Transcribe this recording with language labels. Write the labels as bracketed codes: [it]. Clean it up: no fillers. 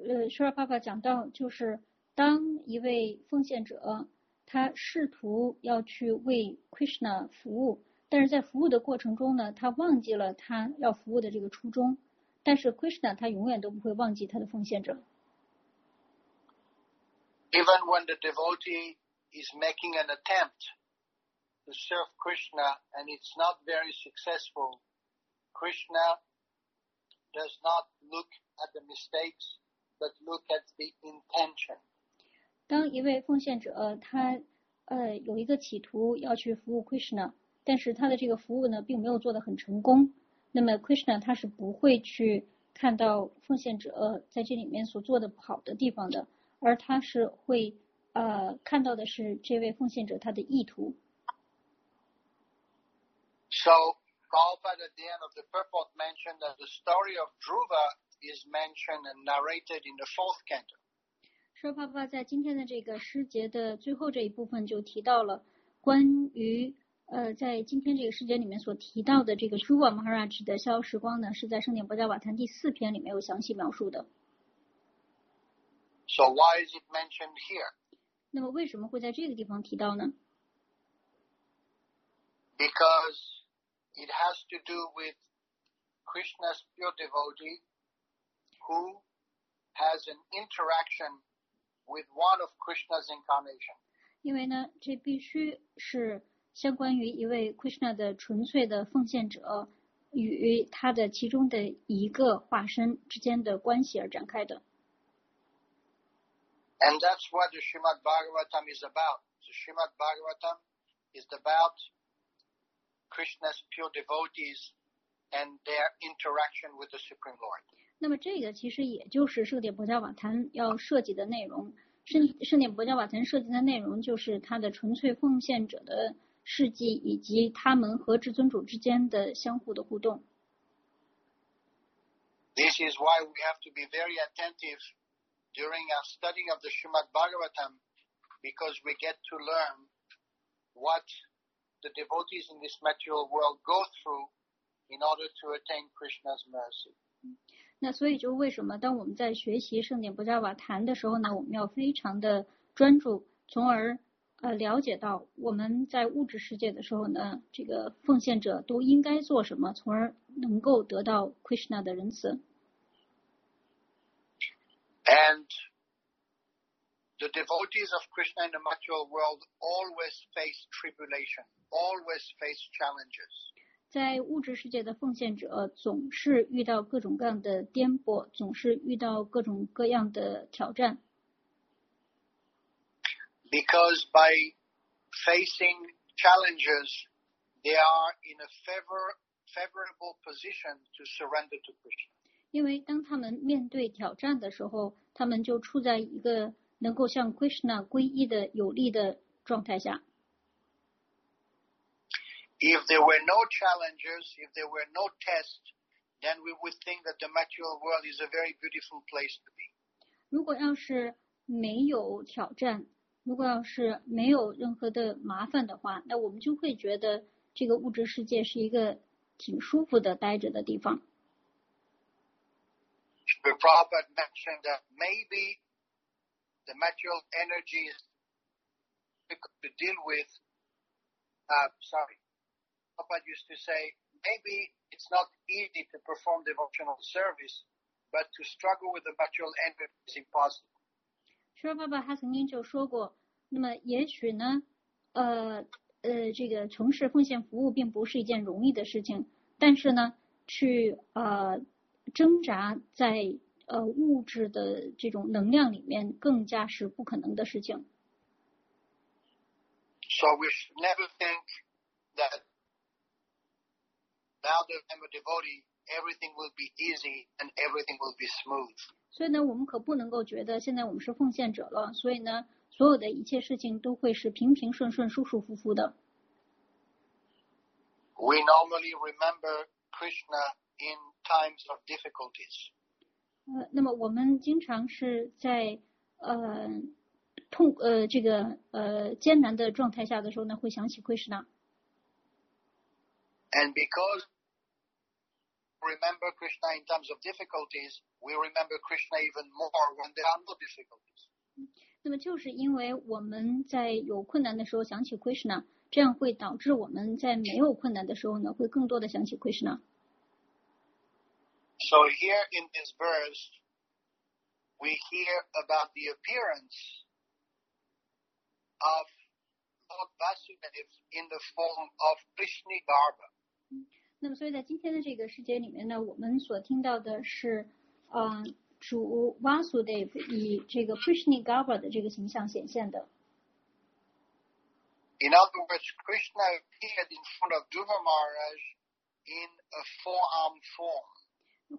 [zh] 舒拉爸爸讲到，就是当一位奉献者他试图要去为 Krishna 服务，但是在服务的过程中呢，他忘记了他要服务的这个初衷，但是 Krishna 他永远都不会忘记他的奉献者。 [en] Even when the devotee is making an attempt to serve Krishna and it's not very successful, Krishna does not look at the mistakes. But look at the intention. [zh] 当一位奉献者他有一个企图要去服务 Krishna， 但是他的这个服务呢并没有做得很成功，那么 Krishna 他是不会去看到奉献者在这里面所做的好的地方的，而他是会看到的是这位奉献者他的意图。 [en] So, Prabhupada at the end of the purport mentioned that the story of Dhruva is mentioned and narrated in the fourth canto. [zh] So, Prabhupada 在今天的这个诗节的最后这一部分就提到了关于在今天这个诗节里面所提到的这个 Dhruva Maharaj 的逍遥时光呢，是在圣典波迦瓦坛第四篇里面有详细描述的。 [en] So, why is it mentioned here? [zh] 那么为什么会在这个地方提到呢？ [en] Because it has to do with Krishna's pure devotee who has an interaction with one of Krishna's incarnations. [zh] 因为呢，这必须是相关于一位 Krishna 的纯粹的奉献者与他的其中的一个化身之间的关系而展开的。 [en] And that's what the Srimad Bhagavatam is about. The Srimad Bhagavatam is aboutKrishna's pure devotees and their interaction with the Supreme Lord. [zh] 那么这个其实也就是圣典波迦瓦坛要涉及的内容。圣典波迦瓦坛涉及的内容就是他的纯粹奉献者的事迹以及他们和至尊主之间的相互的互动。 [en] This is why we have to be very attentive during our studying of the Srimad Bhagavatam because we get to learn whatThe devotees in this material world go through in order to attain Krishna's mercy. [zh] 那所以就为什么当我们在学习圣典波迦瓦坛的时候呢，我们要非常的专注，从而了解到我们在物质世界的时候呢，这个奉献者都应该做什么，从而能够得到 Krishna 的仁慈。 [en] And the devotees of Krishna in the material world always face tribulation. Always face challenges. [zh] 在物质世界的奉献者总是遇到各种各样的颠簸，总是遇到各种各样的挑战。 [en] Because by facing challenges, they are in a favorable position to surrender to Krishna. [zh] 因为当他们面对挑战的时候，他们就处在一个能够向 Krishna 皈依的有利的状态下。 [en] If there were no challenges, if there were no tests, then we would think that the material world is a very beautiful place to be. [zh] 如果要是没有挑战，如果要是没有任何的麻烦的话，那我们就会觉得这个物质世界是一个挺舒服的待着的地方。 [en] The Prabhupada mentioned that maybe the material energy is difficult to deal with. Prabhupada used to say, maybe it's not easy to perform devotional service, but to struggle with the material energy is impossible. [zh] Sure, Baba 他曾经就说过，那么也许呢，这个从事奉献服务并不是一件容易的事情，但是呢，去挣扎在物质的这种能量里面，更加是不可能的事情。 [en] So we should never think that. Now that I'm a devotee, everything will be easy and everything will be smooth. [zh] 所以呢，我们可不能够觉得现在我们是奉献者了，所以呢，所有的一切事情都会是平平顺顺、舒舒服服的。 [en] We normally remember Krishna in times of difficulties. [zh] 那么我们经常是在痛这个艰难的状态下的时候呢，会想起 Krishna。 [en] And because we remember Krishna in times of difficulties, we remember Krishna even more when there are no difficulties. [zh] 那么就是因为我们在有困难的时候想起 Krishna, 这样会导致我们在没有困难的时候呢，会更多的想起 Krishna. [en] So here in this verse, we hear about the appearance of Lord Vasudev in the form of Krishna Garba. [zh] 那么所以在今天的这个世界里面呢，我们所听到的是主 Vasudev 以这个 Krishna Garbha 的这个形象显现的。 [en] In other words, Krishna appeared in front of Dhruva Maharaj in a four-armed form.